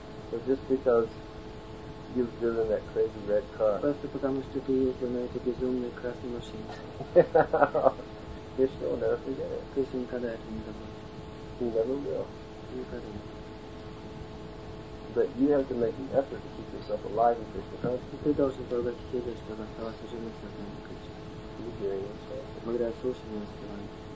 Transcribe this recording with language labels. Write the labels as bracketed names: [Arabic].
[English] So just because you've driven that crazy red car. [Russian] Просто потому что ты ездил на этой безумной красной машине. [English] Krishna will never forget it. [Russian] Krishna никогда это не забудет. [English] He never will. [Russian] Никогда. [English] But you have to make an effort to keep yourself alive in Krishna consciousness. [Russian] Ты должен продолжать следовать, чтобы оставаться живым в сознании Кришны. [English] You're hearing yourself. [Russian] Благодаря слушанию сознания.